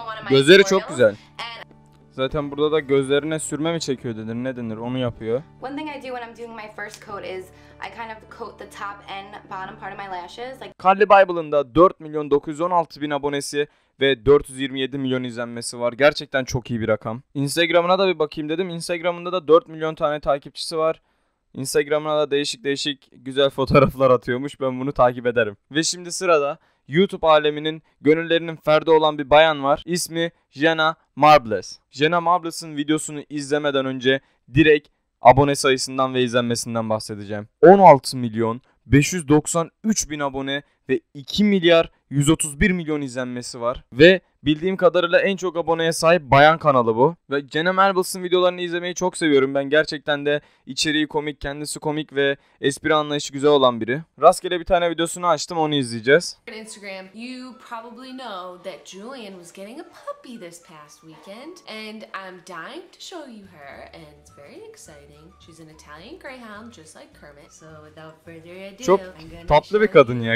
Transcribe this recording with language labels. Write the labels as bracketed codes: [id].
[tr] Gözleri çok güzel. Zaten burada da gözlerine sürme mi çekiyor denir, ne denir, onu yapıyor. [en] One thing I do when I'm doing my first coat is I kind of coat the top and bottom part of my lashes. [tr] Carly Bible'ın da 4 milyon 916 bin abonesi ve 427 milyon izlenmesi var. Gerçekten çok iyi bir rakam. Instagram'ına da bir bakayım dedim. Instagram'ında da 4 milyon tane takipçisi var. Instagram'ına da değişik güzel fotoğraflar atıyormuş. Ben bunu takip ederim. Ve şimdi sırada YouTube aleminin gönüllerinin ferdi olan bir bayan var. İsmi Jenna Marbles. Jenna Marbles'ın videosunu izlemeden önce direkt abone sayısından ve izlenmesinden bahsedeceğim. 16 milyon 593 bin abone ve 2 milyar 131 milyon izlenmesi var. Ve bildiğim kadarıyla en çok aboneye sahip bayan kanalı bu. Ve Jenna Marbles'ın videolarını izlemeyi çok seviyorum. Ben gerçekten de içeriği komik, kendisi komik ve espri anlayışı güzel olan biri. Rastgele bir tane videosunu açtım, onu izleyeceğiz. [en] Instagram, you probably know that Julian was getting a puppy this past weekend. And I'm dying to show you her and it's very exciting. She's an Italian greyhound just like Kermit. So without further ado, [tr] çok tatlı bir kadın ya.